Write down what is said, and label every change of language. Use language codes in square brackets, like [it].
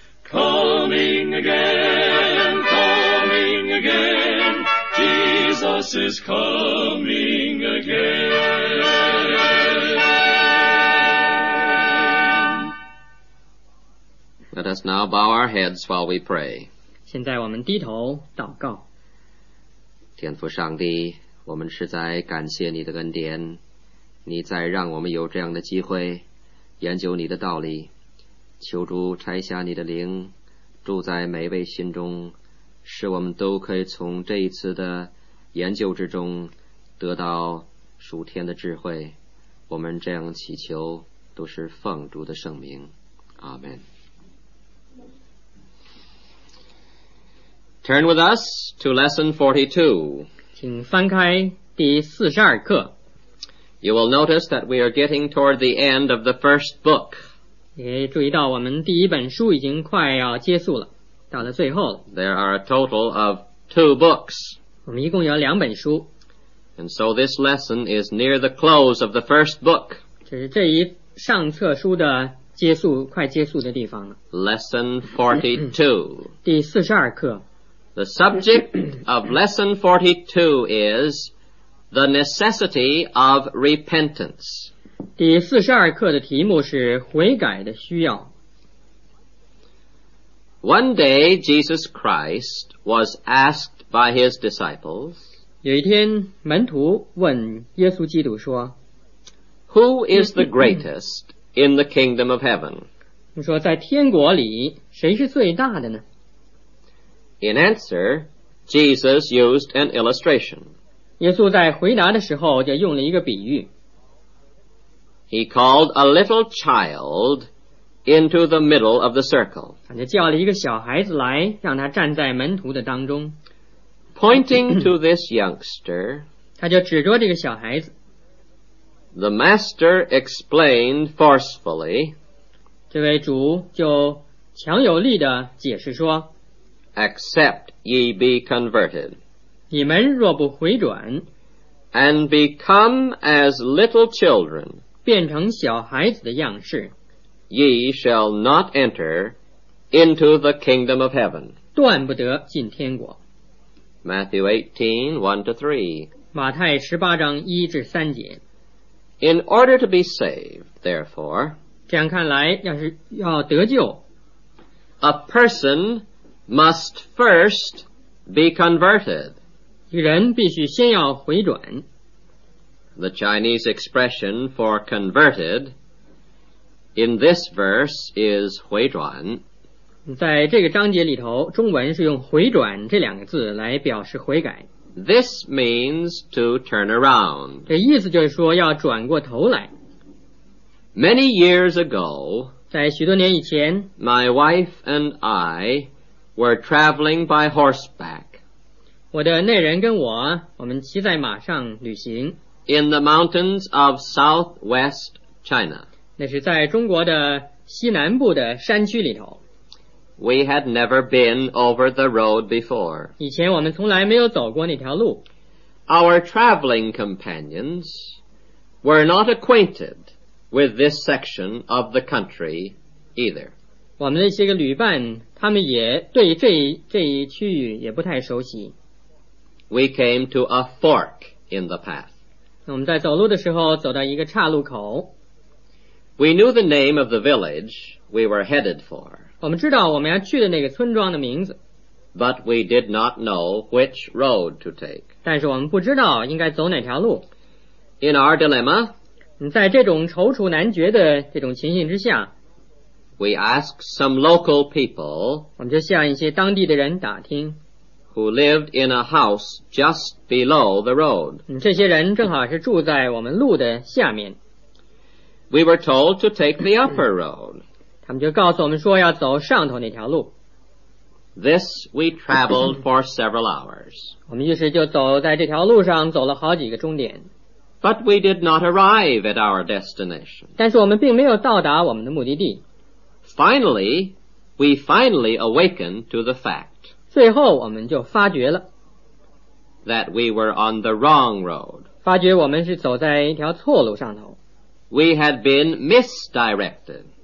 [en] Coming again, coming again, Jesus is coming again. Let us now bow our heads while we pray. [zh] 现在我们低头祷告。天父上帝，我们实在感谢你的恩典，你再让我们有这样的机会研究你的道理，求主拆下你的灵住在每位心中，使我们都可以从这一次的研究之中得到属天的智慧。我们这样祈求都是奉主的圣名，阿们。 [en] Turn with us to lesson 42. [zh] 请翻开第42课。 [en] You will notice that we are getting toward the end of the first book. [zh] 也注意到我们第一本书已经快要结束了，到了最后了。 [en] There are a total of two books. [zh] 我们一共有两本书。 [en] And so this lesson is near the close of the first book. [zh] 这是这一上册书的结束，快结束的地方了。 [en] Lesson 42. [zh] 第42课。 [en] The subject of lesson 42 is the necessity of repentance. [zh] 第42课的题目是悔改的需要。 [en] One day Jesus Christ was asked by his disciples, [zh] 有一天门徒问耶稣基督说， [en] Who is the greatest in the kingdom of heaven? [zh] 说在天国里谁是最大的呢？ [en] In answer, Jesus used an illustration. [zh] 耶稣在回答的时候就用了一个比喻。 [en] He called a little child into the middle of the circle. [zh] 他就叫了一个小孩子来，让他站在门徒的当中。 [en] Pointing to this youngster, [zh] 他就指着这个小孩子。 [en] The master explained forcefully, [zh] 这位主就强有力地解释说， [en] Except ye be converted. [zh] 你们若不回转， [en] And become as little children. [zh] 变成小孩子的样式， [en] Ye shall not enter into the kingdom of heaven. [zh] 断不得进天国。 [en] Matthew 18:1-3. [zh] 马太十八章一至三节。 [en] In order to be saved, therefore, [zh] 这样看来，要是要得救， [en] A person must first be converted. [zh] 一人必须先要回转。 [en] The Chinese expression for converted in this verse is 回转。 [zh] 在这个章节里头，中文是用回转这两个字来表示悔改。 [en] This means to turn around. [zh] 这意思就是说要转过头来。 [en] Many years ago, [zh] 在许多年以前， [en] my wife and I were traveling by horseback. [zh] 我的内人跟我，我们骑在马上旅行。 [en] In the mountains of southwest China. [zh] 那是在中国的西南部的山区里头。 [en] We had never been over the road before. [zh] 以前我们从来没有走过那条路。 [en] Our traveling companions were not acquainted with this section of the country either. [zh] 我们那些个旅伴，他们也对这一区域也不太熟悉。 [en] We came to a fork in the path. [zh] 我们在走路的时候走到一个岔路口。 [en] We knew the name of the village we were headed for. [zh] 我们知道我们要去的那个村庄的名字。 [en] But we did not know which road to take. [zh] 但是我们不知道应该走哪条路。 [en] In our dilemma, [zh] 在这种踌躇难决的这种情形之下， [en] We asked some local people, [zh] 我们就向一些当地的人打听。 [en] Who lived in a house just below the road. [zh] 这些人正好是住在我们路的下面。 [en] We were told to take the upper road. [zh] 他他们就告诉我们说要走上头那条路。 [en] This we traveled for several hours. [zh] 我们于是就走在这条路上走了好几个钟点。 [en] But we did not arrive at our destination. [zh] 但是我们并没有到达我们的目的地。 [en] Finally, we finally awakened to the fact. [zh] 最后我们就发觉了。 [en] That we were on the wrong road. [zh] 发觉我们是走在一条错路上头。 [en] We had been misdirected.